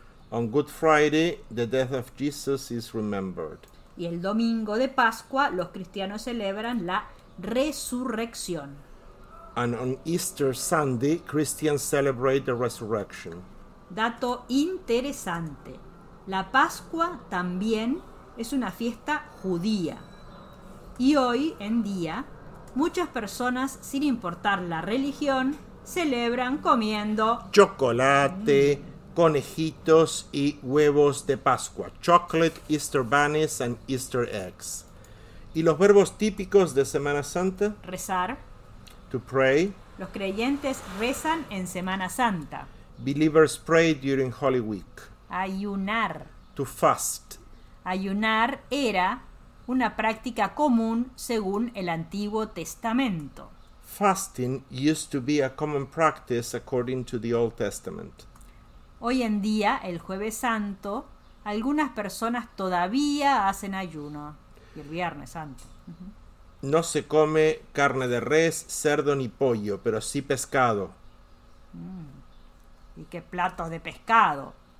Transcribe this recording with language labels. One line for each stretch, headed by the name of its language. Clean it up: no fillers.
English: On Good Friday, the death of Jesus is remembered.
Spanish: Y el domingo de Pascua, los cristianos celebran la resurrección.
English: And on Easter Sunday, Christians celebrate the resurrection.
Spanish: Dato interesante. La Pascua también es una fiesta judía. Y hoy en día, muchas personas, sin importar la religión, celebran comiendo chocolate, conejitos y huevos de Pascua.
English: Chocolate, Easter bunnies and Easter eggs.
Spanish: ¿Y los verbos típicos de Semana Santa? Rezar.
English: To pray.
Spanish: Los creyentes rezan en Semana Santa.
English: Believers pray during Holy Week.
Spanish: Ayunar.
English: To fast.
Spanish: Ayunar era una práctica común según el Antiguo Testamento.
English: Fasting used to be a common practice according to the Old Testament.
Spanish: Hoy en día, el Jueves Santo, algunas personas todavía hacen ayuno. Y el Viernes Santo. No se come carne de res, cerdo ni pollo, pero sí pescado. ¿Y qué platos de pescado?